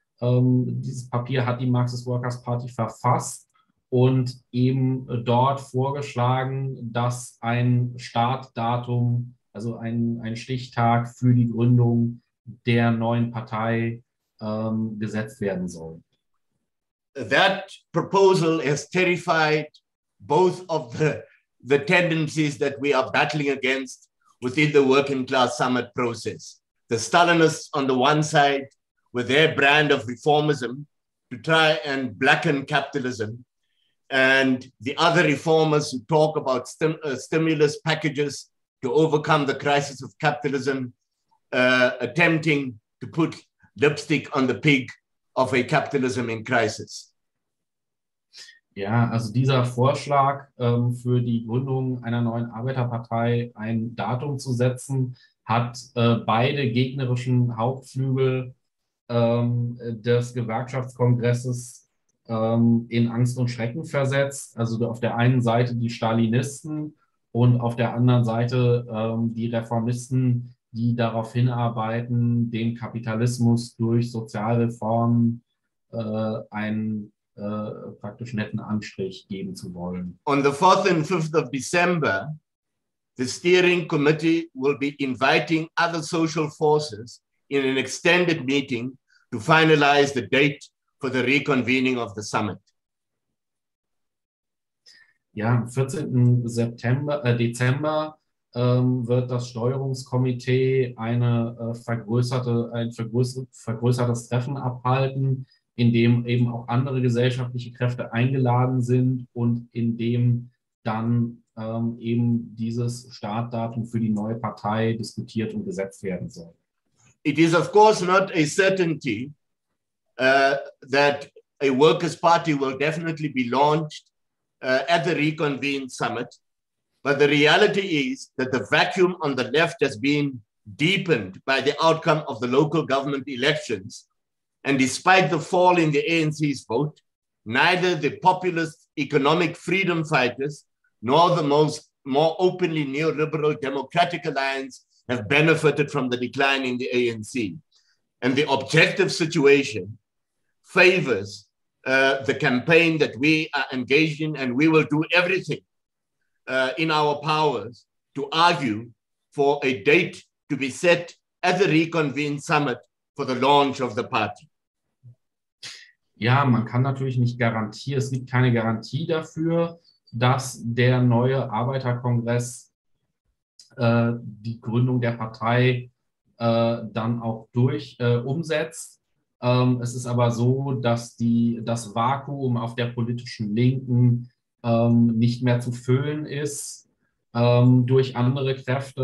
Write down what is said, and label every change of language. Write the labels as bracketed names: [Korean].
[German] Dieses Papier hat die Marxist Workers Party verfasst und eben dort vorgeschlagen, dass ein Startdatum, also ein Stichtag für die Gründung der neuen Partei gesetzt werden soll. [English] That proposal has terrified both of the tendencies that we are battling against within the working class summit process. The Stalinists on the one side with their brand of reformism to try and blacken capitalism, and the other reformers who talk about stimulus packages to overcome the crisis of capitalism, attempting to put lipstick on the pig of a capitalism in crisis. [German] Ja, also dieser Vorschlag für die Gründung einer neuen Arbeiterpartei ein Datum zu setzen, hat beide gegnerischen Hauptflügel des Gewerkschaftskongresses in Angst und Schrecken versetzt. Also auf der einen Seite die Stalinisten und auf der anderen Seite die Reformisten, die darauf hinarbeiten, den Kapitalismus durch Sozialreformen einen praktisch netten Anstrich geben zu wollen. [English] On the 4th and 5th of December, the steering committee will be inviting other social forces in an extended meeting to finalize the date for the reconvening of the summit. [German] Ja, am 14. September, Dezember wird das Steuerungskomitee ein vergrößertes Treffen abhalten, in dem eben auch andere gesellschaftliche Kräfte eingeladen sind und in dem dann eben dieses Startdatum für die neue Partei diskutiert und gesetzt werden soll. [English] It is of course not a certainty that a workers' party will definitely be launched at the reconvened summit, but the reality is that the vacuum on the left has been deepened by the outcome of the local government elections, and despite the fall in the ANC's vote, neither the populist economic freedom fighters nor the more openly neoliberal Democratic Alliance have benefited from the decline in the ANC. And the objective situation favors the campaign that we are engaged in, and we will do everything in our powers to argue for a date to be set at the reconvened summit for the launch of the party. [German] Ja, man kann natürlich nicht garantieren, es gibt keine Garantie dafür, dass der neue Arbeiterkongress die Gründung der Partei dann auch durch umsetzt. Es ist aber so, dass das Vakuum auf der politischen Linken nicht mehr zu füllen ist durch andere Kräfte.